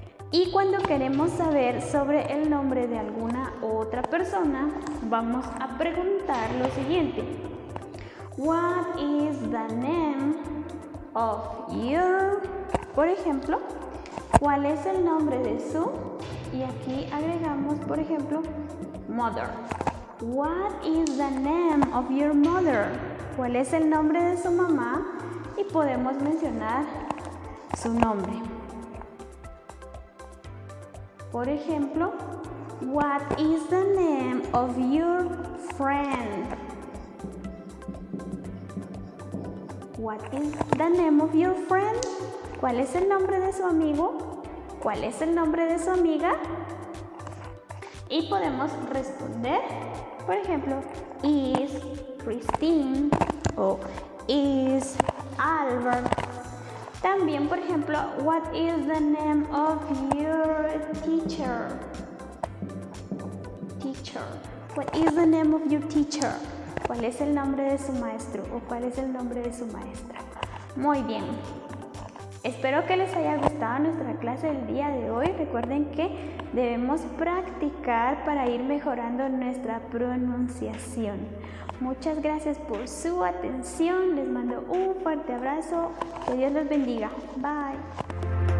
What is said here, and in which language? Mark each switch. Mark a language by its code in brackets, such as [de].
[es] Y cuando queremos saber sobre el nombre de alguna otra persona, vamos a preguntar lo siguiente. [en] What is the name of your... [es] Por ejemplo, ¿cuál es el nombre de su? Y aquí agregamos, por ejemplo, mother. [en] What is the name of your mother? [es] ¿Cuál es el nombre de su mamá? Y podemos mencionar su nombre. Por ejemplo, [en] what is the name of your friend? What is the name of your friend? [es] ¿Cuál es el nombre de su amigo? ¿Cuál es el nombre de su amiga? Y podemos responder, por ejemplo, is Christine o is Albert. También, por ejemplo, [en] what is the name of your teacher? Teacher. What is the name of your teacher? [es] ¿Cuál es el nombre de su maestro o cuál es el nombre de su maestra? Muy bien. Espero que les haya gustado nuestra clase del día de hoy. Recuerden que debemos practicar para ir mejorando nuestra pronunciación. Muchas gracias por su atención. Les mando un fuerte abrazo. Que Dios los bendiga. Bye.